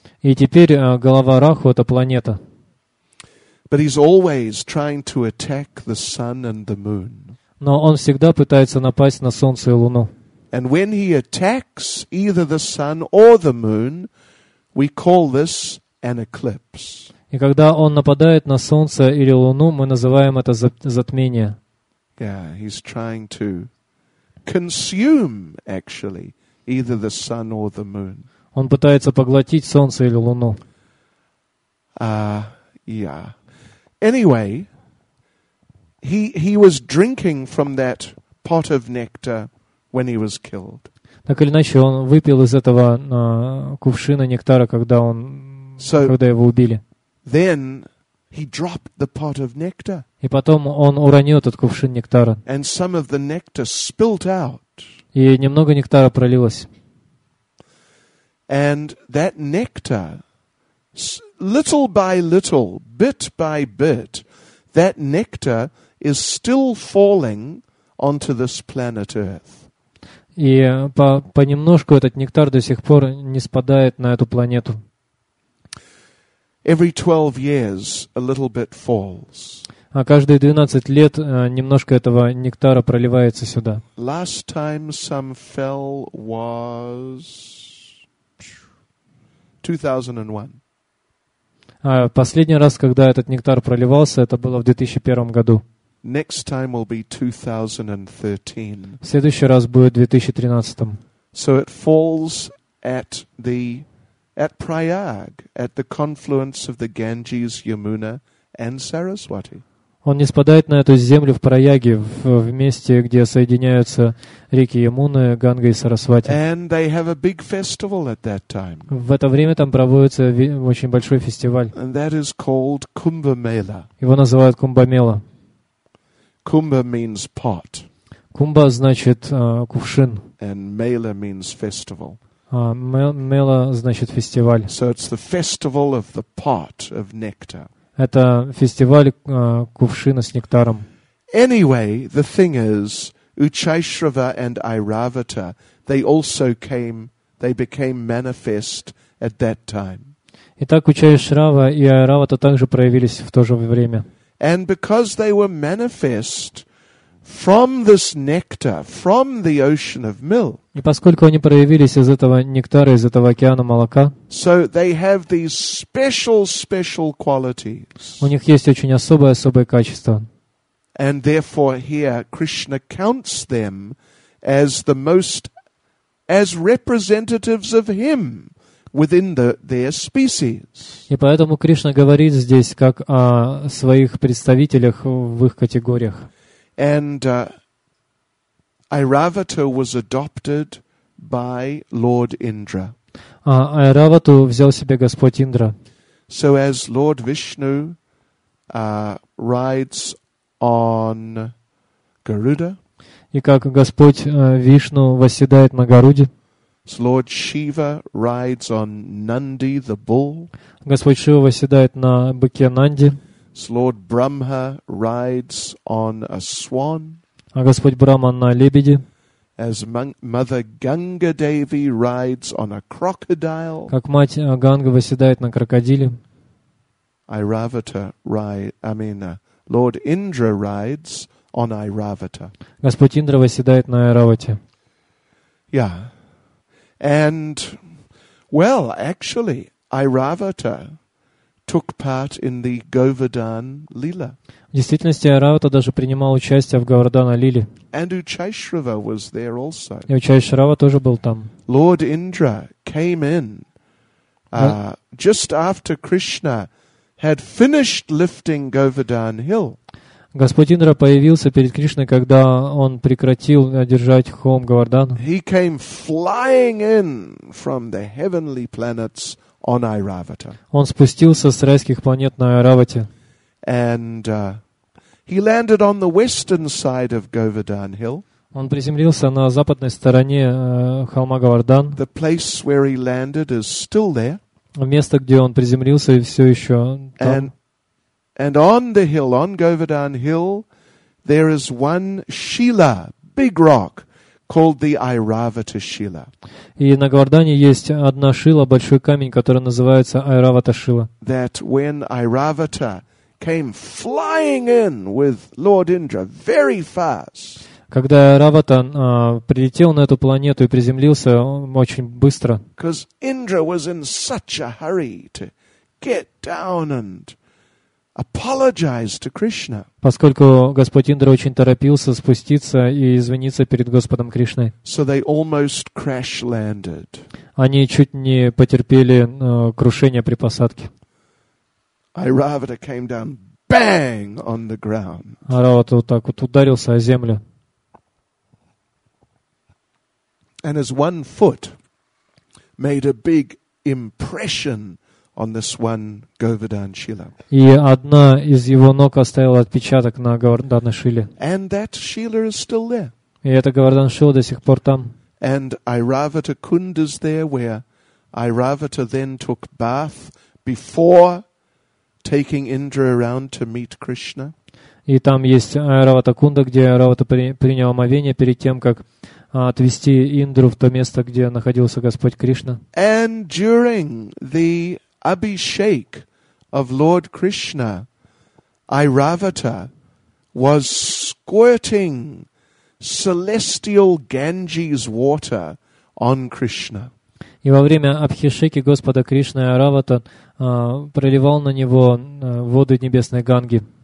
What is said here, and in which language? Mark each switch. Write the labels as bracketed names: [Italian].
[Russian] И теперь голова Раху это планета. [English] But he's always trying to attack the sun and the moon. [Russian] Но он всегда пытается напасть на солнце и луну. [English] And when he attacks either the sun or the moon, we call this an eclipse. [Russian] И когда он нападает на солнце или луну, мы называем это затмение. [English] Yeah, he's trying to consume actually either the sun or the moon. [Russian] Он пытается поглотить солнце или луну. [English] Yeah. Anyway, he was drinking from that pot of nectar when he was killed. [Russian] Так или иначе, он выпил из этого кувшина нектара, когда его убили. [English] Then he dropped the pot of nectar. [Russian] И потом он уронил этот кувшин нектара. [English] And some of the nectar spilt out. [Russian] И немного нектара пролилось. [English] And that nectar, little by little, bit by bit, that nectar is still falling onto this planet Earth. [Russian] И понемножку этот нектар до сих пор не спадает на эту планету. [English] Every 12 years, a little bit falls. [Russian] А каждые 12 лет немножко этого нектара проливается сюда. [English] Last time some fell was 2001. [Russian] Последний раз, когда этот нектар проливался, это было в 2001 году. [English] Next time will be 2013. [Russian] Следующий раз будет в 2013. [English] So it falls at Prayag, at the confluence of the Ganges, Yamuna and Saraswati. [Russian] Он не спадает на эту землю в Праяге, в месте, где соединяются реки Ямуны, Ганга и Сарасвати. [English] And they have a big festival at that time. [Russian] В это время там проводится очень большой фестиваль. [English] And that is called Kumbh Mela. [Russian] Его называют Кумбамела. [English] Kumbha means pot. [Russian] Кумба значит кувшин. [English] And Mela means festival. [Russian] Мела значит фестиваль. [English] So it's the festival of the pot of nectar. [Russian] Это фестиваль кувшина с нектаром. [English] Anyway, the thing is, Uchaishrava and Airavata, they also came, they became manifest at that time. [Russian] Итак, Учайшрава и Айравата также проявились в то же время. [English] And because they were manifest from this nectar, from the ocean of milk. [Russian] И поскольку они проявились из этого нектара, из этого океана молока. [English] So they have these special qualities. [Russian] У них есть очень особые качества. [English] And therefore here Krishna counts them as the most, as representatives of him within their species. [Russian] И поэтому Кришна говорит здесь как о своих представителях в их категориях. [English] And Airavata was adopted by Lord Indra. [Russian] Airavatu взял себе Господь Индра. [English] So as Lord Vishnu rides on Garuda. [Russian] И как Господь Вишну восседает на Гаруде. [English] So Lord Shiva rides on Nandi, the bull. [Russian] Господь Шива восседает на быке Нанди. [English] So Lord Brahma rides on a swan. [Russian] А Господь Брахма на лебеде. [English] As Mother Ganga Devi rides on a crocodile. [Russian] Как мать Ганга восседает на крокодиле. [English] Airavata rides, I mean, Lord Indra rides on Airavata. [Russian] Господь Индра восседает на Айравате. [English] Yeah. And, well, actually, Airavata took part in the Govardhan Lila. [Russian] В действительности, Airavata даже принимал участие в Govardhana Lili. [English] And Uchaishrava was there also. [Russian] И Uchaishrava тоже был там. [English] Lord Indra came in just after Krishna had finished lifting Govardhan Hill. [Russian] Господь Индра появился перед Кришной, когда он прекратил держать холм Говардхан. [English] He came flying in from the heavenly planets on Airavata. [Russian] Он спустился с райских планет на Айравате. [English] And he landed on the western side of Govardhan Hill. [Russian] Он приземлился на западной стороне холма Говардхан. [English] The place where he landed is still there. [Russian] Место, где он приземлился, и все еще там. [English] And on the hill, on Govardhan Hill, there is one shila, big rock, called the Airavata shila. [Russian] И на Говардхане есть одна шила, большой камень, который называется Airavata shila. [English] That when Airavata came flying in with Lord Indra very fast. [Russian] Когда Airavata прилетел на эту планету и приземлился очень быстро. [English] Because Indra was in such a hurry to get down and apologize to Krishna. [Russian] Поскольку Господь Индра очень торопился спуститься и извиниться перед Господом Кришной. [English] So they almost crash landed. [Russian] Они чуть не потерпели крушение при посадке. [English] Airavata came down bang on the ground. [Russian] Airavata вот так вот ударился о землю. [English] And his one foot made a big impression on this one Govardhan shila. [Russian] И одна из его ног оставила отпечаток на Говардхана шиле. [English] And that shila is still there. [Russian] И эта Говардхана шила до сих пор там. [English] And Airavata kund is there, where Airavata then took bath before taking Indra around to meet Krishna. [Russian] И там есть Airavata kunda, где Airavata принял омовение перед тем, как отвести Индру в то место, где находился Господь Кришна. [English] And during the Abhishek of Lord Krishna, Airavata was squirting celestial Ganges water on Krishna. [Russian] И во время Абхишеки Господа Кришны Airavata проливал на него воды небесной Ганги.